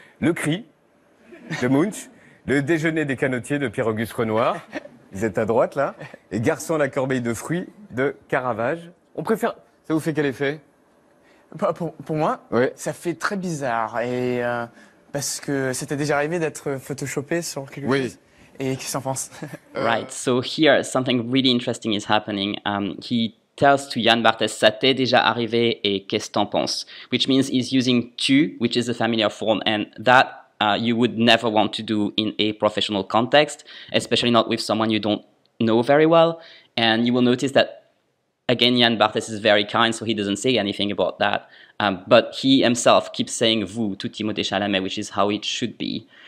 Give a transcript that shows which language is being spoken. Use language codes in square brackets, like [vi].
[fr] Le cri de Munch, le déjeuner des canotiers de Pierre-Auguste Renoir, vous êtes à droite là, et Garçon à la corbeille de fruits de Caravage. On préfère, ça vous fait quel effet? Pour moi, ouais. Ça fait très bizarre, et parce que c'était déjà arrivé d'être photoshopé sur quelque oui. chose. Et qui s'en pense? [en] Right, so here, something really interesting is happening. He tells to Yann Barthès, [fr] ça t'est déjà arrivé, et qu'est-ce t'en penses? [en] Which means he's using tu, which is a familiar form, and that you would never want to do in a professional context, especially not with someone you don't know very well. And you will notice that, again, Yann Barthès is very kind, so he doesn't say anything about that. But he himself keeps saying vous to Timothée Chalamet, which is how it should be.